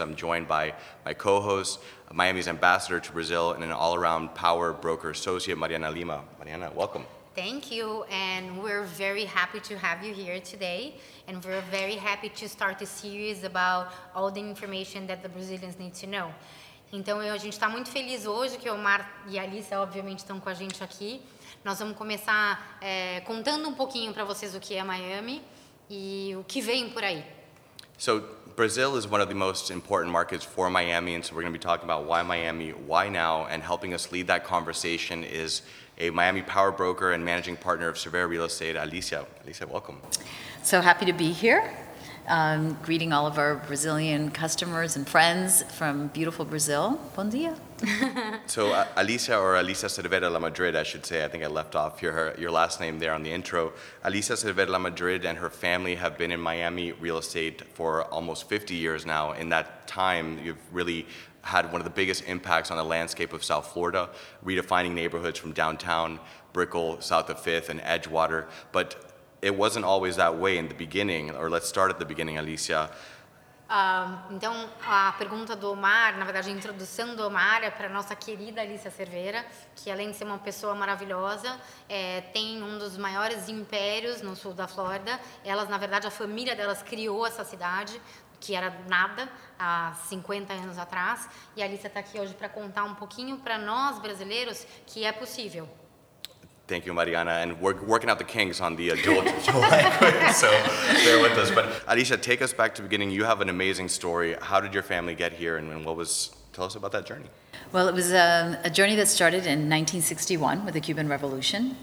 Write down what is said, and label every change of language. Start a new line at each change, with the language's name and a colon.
English: I'm joined by my co-host, Miami's ambassador to Brazil and an all-around power broker associate, Mariana Lima. Mariana, welcome. Thank you, and we're very happy to have you here today, and we're very happy to start this series about all the information that the Brazilians need to know.
Portuguese: Então, a gente está muito feliz hoje que o Omar e a Alissa, obviamente, estão com a gente aqui. Nós vamos começar contando um pouquinho para vocês o que é Miami e o que vem por aí.
English: So, Brazil is one of the most important markets for Miami, and so we're going to be talking about why Miami, why now, and helping us lead that conversation is a Miami power broker and managing partner of Cervera Real Estate, Alicia. Alicia, welcome. So happy to be here, greeting all of our Brazilian customers and friends from beautiful Brazil.
Portuguese: Bom dia.
English: So Alicia, or Alicia Cervera La Madrid, I should say, I think I left off your last name there on the intro. Alicia Cervera La Madrid and her family have been in Miami real estate for almost 50 years now. In that time, you've really had one of the biggest impacts on the landscape of South Florida, redefining neighborhoods from downtown, Brickell, south of Fifth, and Edgewater. But it wasn't always that way in the beginning, or let's start at the beginning, Alicia.
Portuguese: Então, a pergunta do Omar, na verdade, a introdução do Omar é para a nossa querida Alicia Cervera, que além de ser uma pessoa maravilhosa, tem um dos maiores impérios no sul da Flórida. Elas, na verdade, a família delas criou essa cidade, que era nada há 50 anos atrás, e a Alicia está aqui hoje para contar um pouquinho para nós brasileiros que é possível.
English: Thank you, Mariana, and we're working out the kinks on the dual language, so bear with us. But Alicia, take us back to the beginning. You have an amazing story. How did your family get here, and what was, tell us about that journey. Well, it was a journey that started in 1961 with the Cuban Revolution.